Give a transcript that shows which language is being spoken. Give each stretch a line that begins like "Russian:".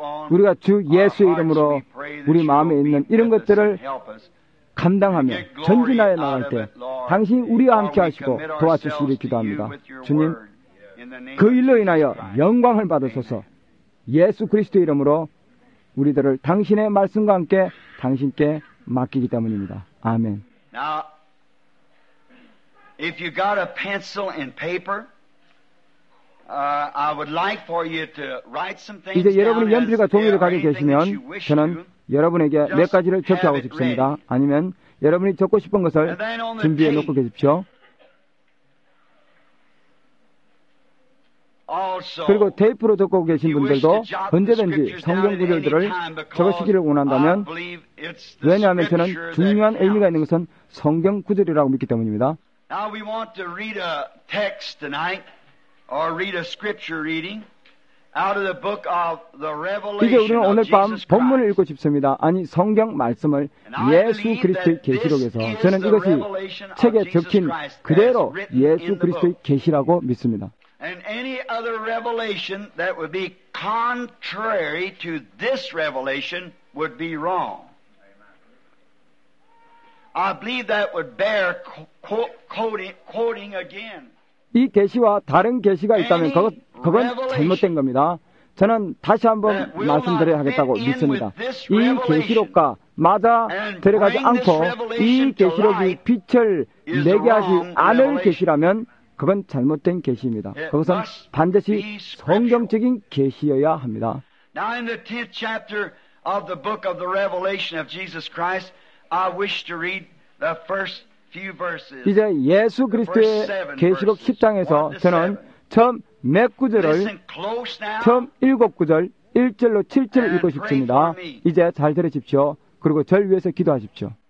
Korean: 우리가 주 예수의 이름으로 우리 마음에 있는 이런 것들을 감당하며 전진하여 나갈 때 당신이 우리와 함께 하시고 도와주시기를 기도합니다. 주님, 그 일로 인하여 영광을 받으소서. 예수 그리스도의 이름으로 우리들을 당신의 말씀과 함께 당신께 맡기기 때문입니다. 아멘.
English: If you got a pencil and paper, I would like for you to write some things.
Korean: 이제 여러분이 연필과 종이를 가지고 계시면 저는 여러분에게 몇 가지를 적혀하고 싶습니다. 아니면 여러분이 적고 싶은 것을 준비해 놓고 계십시오. 그리고 테이프로 적고 계신 분들도 언제든지 성경 구절들을 적으시기를 원한다면, 왜냐하면 저는 중요한 의미가 있는 것은 성경 구절이라고 믿기 때문입니다.
English: Now we want to read a text tonight, or read a scripture reading out of the book of the Revelation.
Korean: 이제 우리는 오늘 밤 본문을 읽고 싶습니다. 아니 성경 말씀을 예수 그리스도의 계시록에서. 저는 이것이 책에 적힌 그대로 예수 그리스도의 계시라고 믿습니다.
English: And any other revelation that would be contrary to this revelation would be wrong. I believe that would bear quoting again.
Korean: 이 계시와 다른 계시가 있다면 그건 잘못된 겁니다. 저는 다시 한번 말씀드려야 하겠다고 믿습니다. 이 계시록과 맞아 들어가지 않고 이 계시록이 빛을 내게 하지 않을 계시라면 그건 잘못된 계시입니다. 그것은 반드시 성경적인 계시여야 합니다.
English: Now in the 10th chapter of the book of the Revelation of Jesus Christ, I wish to read the first few verses.
Korean: 이제 예수 그리스도의 계시록 10장에서 저는 처음 몇 구절을 처음 일곱 구절 1절로 7절을 읽고 싶습니다. 이제 잘 들으십시오. 그리고 절 위해서 기도하십시오.